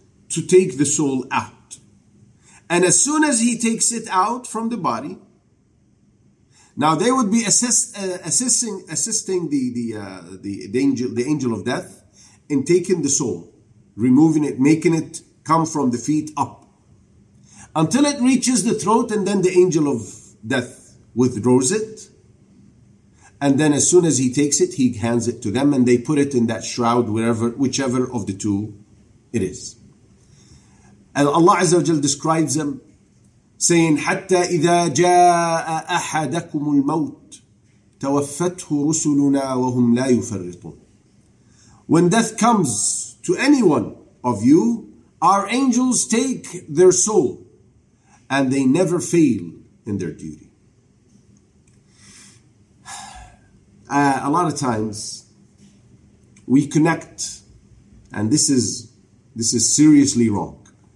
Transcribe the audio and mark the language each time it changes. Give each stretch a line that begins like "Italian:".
English: to take the soul out. And as soon as he takes it out from the body, now they would be assisting the angel of death in taking the soul, removing it, making it come from the feet up until it reaches the throat, and then the angel of death withdraws it. And then as soon as he takes it, he hands it to them, and they put it in that shroud, wherever, whichever of the two it is. And Allah Azza wa Jal describes them saying,
Arabic: حَتَّى إِذَا جَاءَ أَحَدَكُمُ الْمَوْتِ تَوَفَّتْهُ رُسُلُنَا وَهُمْ لَا يُفَرِّطُونَ.
English: When death comes to anyone of you, our angels take their soul, and they never fail in their duty. A lot of times, we connect, and this is seriously wrong.